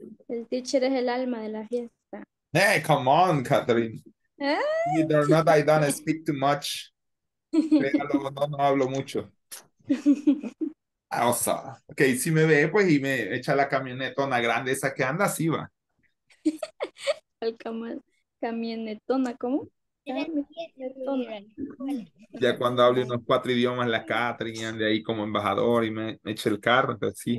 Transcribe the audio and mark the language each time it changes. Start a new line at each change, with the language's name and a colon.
Spanish: El teacher es el alma de la fiesta.
English: Hey, come on, Catherine. You do not, I don't speak too much.
Spanish: No hablo mucho. O sea, ok, si me ve, pues, y me echa la camionetona grande esa que anda, sí va. El camionetona, ¿cómo? Camionetona. Ya cuando hable unos cuatro idiomas, la Catherine ande ahí como embajador y me eche el carro, entonces sí.